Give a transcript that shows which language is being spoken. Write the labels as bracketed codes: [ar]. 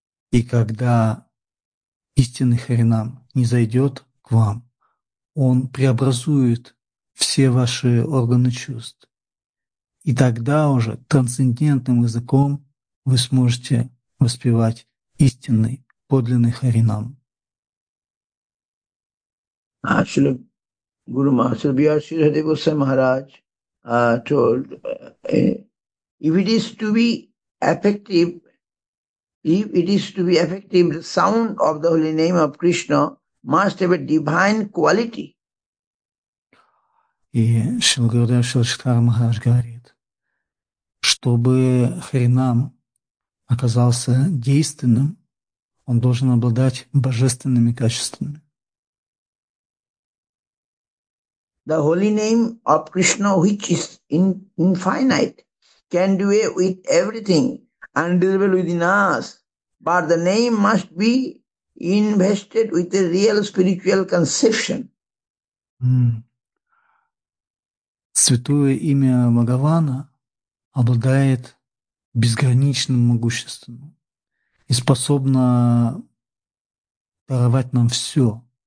[ru] И когда истинный Харинам не зайдет к вам, он преобразует все ваши органы чувств. И тогда уже трансцендентным языком вы сможете воспевать истинный, подлинный Харинам. [en] Actually, Guru Master B.R. Sridhar Goswami Maharaj told, if it is to be effective, if it is to be effective, the sound of the holy name of Krishna must have a divine quality. [ru] И Шрила Гурудева Шриладхара Махарадж говорит, чтобы Харинам оказался действенным, он должен обладать божественными качествами. [en] The holy name of Krishna, which is infinite, can do away with everything undesirable within us, but the name must be invested with a real spiritual conception. [ru] Святое имя Бхагавана обладает безграничным могуществом и способно даровать нам все.